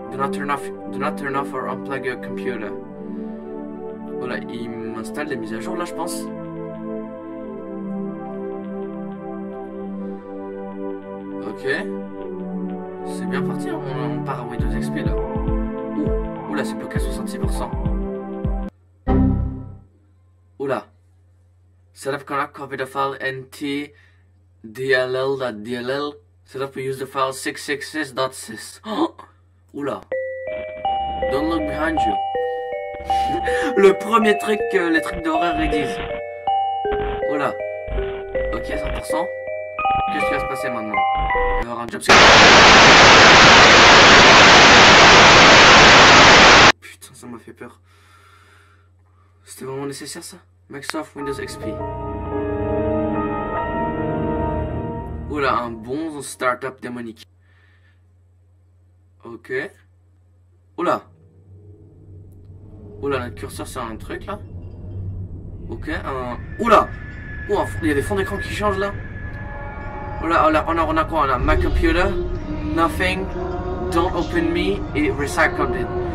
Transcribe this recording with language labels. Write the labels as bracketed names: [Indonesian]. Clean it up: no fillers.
[English] Do not turn off or unplug your computer. [French] Voilà, il m'installe des mises à jour là, je pense. Ok. C'est bien parti, on part à Windows XP là. Oula, c'est bloqué à 66%. Oula. [English] Setup connect, copy the file NT. DLL.DLL setup, we use the file 666.sys. Oh! Oula! Don't look behind you. [French] Le premier truc que les trucs d'horreur ils disent. Oula! Ok, 100%. Qu'est-ce qui va se passer maintenant? Il va y avoir un jumpscare. Putain, ça m'a fait peur. C'était vraiment nécessaire ça? Microsoft Windows XP. Oula, un bon startup démonique. Ok. Oula. Oula, notre curseur c'est un truc là. Ok, un. Oula. Oula, il y a des fonds d'écran qui changent là. Oula, oula, on a quoi? On a [English] my computer, nothing, don't open me et recycled it.